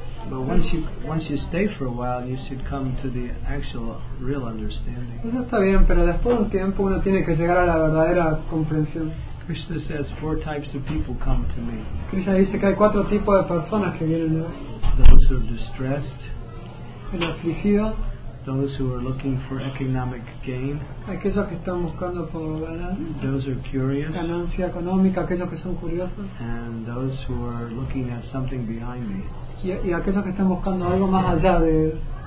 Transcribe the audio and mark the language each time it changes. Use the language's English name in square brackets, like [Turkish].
[English] But once you stay for a while, you should come to the actual real understanding. [Spanish] Eso está bien, pero después de un tiempo uno tiene que llegar a la verdadera comprensión. [English] Krishna says four types of people come to me. [Spanish] Krishna dice que hay cuatro tipos de personas que vienen a mí. [English] Those who are distressed. [Spanish] El afligido. [English] Those who are looking for economic gain. [Spanish] Aquellos que están buscando por ganar. [English] Those who are curious. [Spanish] Ganancia económica, aquellos que son curiosos. [English] And those who are looking at something behind me. [Spanish] Y aquellos que están buscando algo más allá de él.